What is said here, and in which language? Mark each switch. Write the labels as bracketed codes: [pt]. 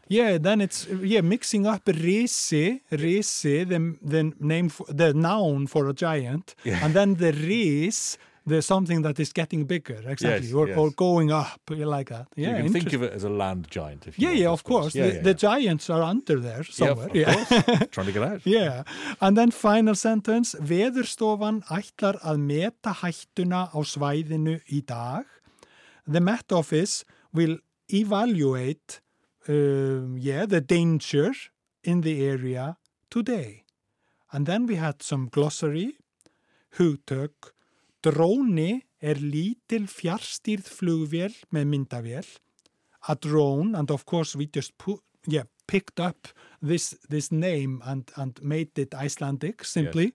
[en] Yeah, then it's mixing up risi, the name, the noun for a giant, and then the ris, the something that is getting bigper, or going up, like that. Yeah, so you can think of it as a land giant. If you Of course. The giants are under there somewhere. Trying to get out. Yeah, and then final sentence: [is] Veðurstofan ætlar að meta hættuna á svæðinu í dag. [en] The Met Office will evaluate, the danger in the area today. And then we had some glossary, hugtök. [is] Dróni lítil fjarstýrð flugvél með myndavél. [en] A drone, and of course we just picked up this name and made it Icelandic, simply.